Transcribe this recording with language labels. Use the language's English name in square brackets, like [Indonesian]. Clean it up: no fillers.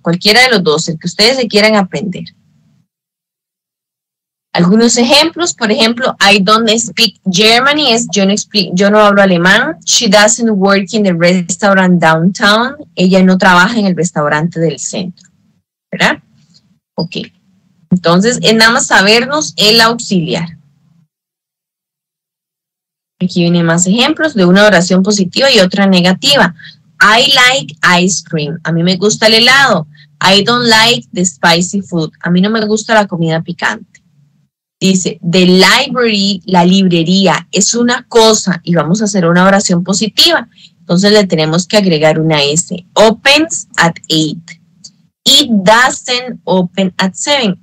[Spanish] Cualquiera de los dos, el que ustedes se quieran aprender. Algunos ejemplos, por ejemplo, [English] I don't speak Germany, [Spanish] yo no hablo alemán. [English] She doesn't work in the restaurant downtown. [Spanish] Ella no trabaja en el restaurante del centro. ¿Verdad? Ok. Entonces, es nada más sabernos el auxiliar. Aquí vienen más ejemplos de una oración positiva y otra negativa. [English] I like ice cream. [Spanish] A mí me gusta el helado. [English] I don't like the spicy food. [Spanish] A mí no me gusta la comida picante. Dice, the library, la librería, es una cosa. Y vamos a hacer una oración positiva. Entonces le tenemos que agregar una S. [English] Opens at 8. It doesn't open at 7.